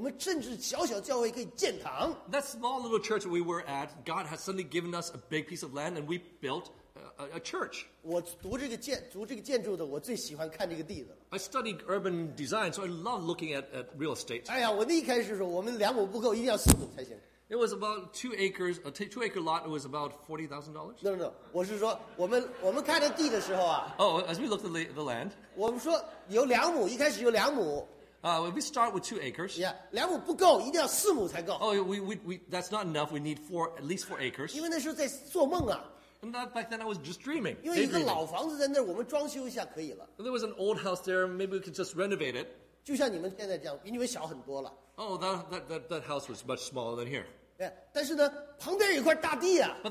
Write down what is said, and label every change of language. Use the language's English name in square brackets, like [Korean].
[Chinese] 而且我们安城教会，小小教会那么多年，好不容易有一次，神给我们一块地，我们甚至小小教会可以建堂。 [English] That small little church we were at, God has suddenly given us a big piece of land, and we built a church. [Chinese] 我读这个建筑的，我最喜欢看这个地的。I [English] studied urban design, so I love looking at real estate. [Chinese] 哎呀，我那一开始说，我们两亩不够，一定要4亩才行。 [English] It was about 2 acres, a two-acre lot. It was about $40,000. [Chinese] No, 我是说，我们看这地的时候啊。 [English] Oh, as we looked at the land. [Chinese] 我们说有两亩，一开始有两亩。 [English] If we start with 2 acres. [Chinese] Yeah, 两亩不够，一定要4亩才够。 [English] Oh, we that's not enough. We need at least four acres. [Chinese] 因为那时候在做梦啊。 [English] And back then I was just dreaming. [Chinese] 因为一个老房子在那儿，我们装修一下可以了。 [English] There was an old house there. Maybe we could just renovate it. [Chinese] 就像你们现在这样，比你们小很多了。 [English] Oh, that house was much smaller than here. [Chinese] Yeah, 但是呢，旁边有一块大地啊。But